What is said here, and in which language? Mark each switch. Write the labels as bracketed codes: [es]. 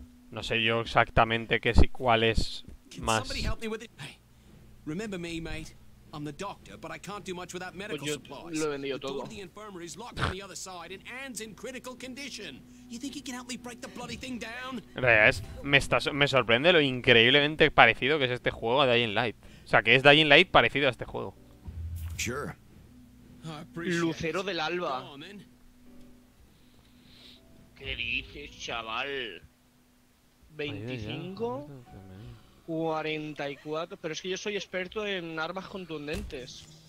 [es] No sé yo exactamente qué si cuál es más. [en] Remember me, mate. I'm the doctor, but I can't do much without medical supplies. [es] Lo he vendido todo. [en] The infirmary is locked on the other side and Anne's in critical condition. You think you can help me break the bloody thing down? [es] Me sorprende lo increíblemente parecido que es este juego a Dying Light. O sea, que es Dying Light parecido a este juego. [en] Sure. [es] Lucero del alba. ¿Qué dices, chaval? 25, 44, pero es que yo soy experto en armas contundentes.